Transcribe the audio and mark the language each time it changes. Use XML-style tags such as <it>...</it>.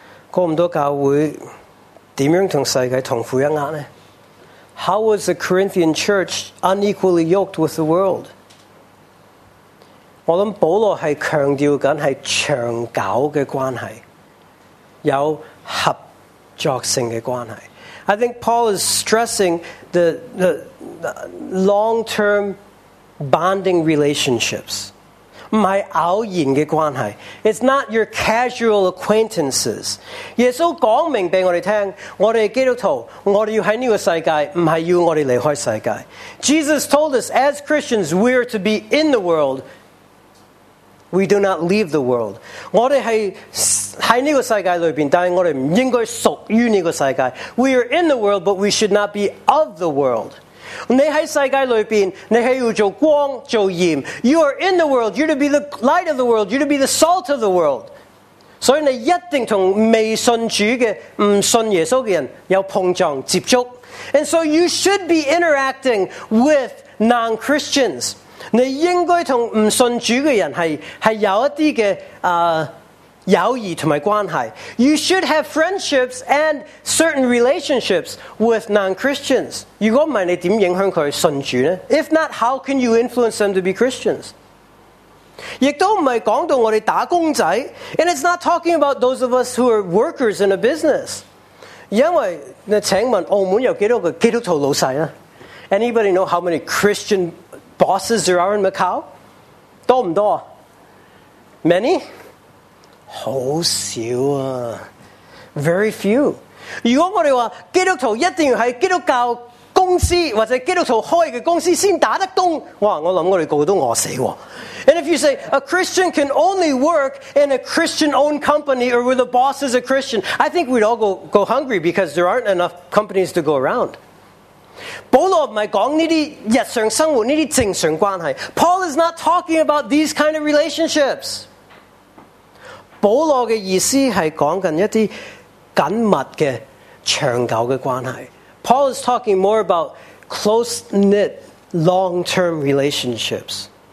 <zh>过不到教会怎样跟世界同父一轭呢？</zh> <en>How was the Corinthian church unequally yoked with the world？</en> <zh>我想保罗是强调紧是长久的关系，有合作性的关系。</zh> <en>I think Paul is stressing the long-term bonding relationships，</en> <zh>不是偶然的关系。</zh> <en>It's not your casual acquaintances。</en> <zh>耶稣讲明俾我哋听，我哋基督徒，我哋要喺呢个世界，唔系要我哋离开世界。</zh> <en>Jesus told us as Christians we are to be in the world。 We do not leave the world.</en> <zh>我们是在这个世界里面，但是我们不应该属于这个世界。</zh> <en>We are in the world, but we should not be of the world.</en> <zh>你在世界里面，你是要做光，做盐。</zh> <en>You are in the world, you're to be the light of the world, you're to be the salt of the world.</en> <zh>所以你一定跟未信主的、不信耶稣的人有碰撞、接触。</zh> <en>And so you should be interacting with non-Christians.</en> <zh>你应该同唔信主嘅人系有一啲嘅友谊同埋关系。</zh> <en>You should have friendships and certain relationships with non-Christians.</en> <zh>如果唔系，你点影响佢信主呢</zh> <en>？If not, how can you influence them to be Christians?</en> <zh>亦都唔系讲到我哋打工仔</zh> <en>，and it's not talking about those of us who are workers in a business.</en> <zh>因为你请问澳门有几多个基督徒老细啊 ？</zh> <en>Anybody know how many Christian？ Bosses there are in Macau?</en> <zh>多不多</zh> <en>Many?</en> <zh>好少啊</zh> <en>Very few.</en> <zh>如果我们说基督徒一定要在基督教公司或者基督徒开的公司先打得工，哇我想我们个个都饿死啊。</zh> <en>And if you say, a Christian can only work in a Christian-owned company or where the boss is a Christian, I think we'd all go hungry because there aren't enough companies to go around.</en> <zh>保罗不是讲这些日常生活这些正常关系</zh> <en>Paul is not talking about these kind of relationships</en> <zh>保罗的意思是讲一些紧密的长久的关系</zh> <en>Paul is talking more about close-knit long-term relationships</en>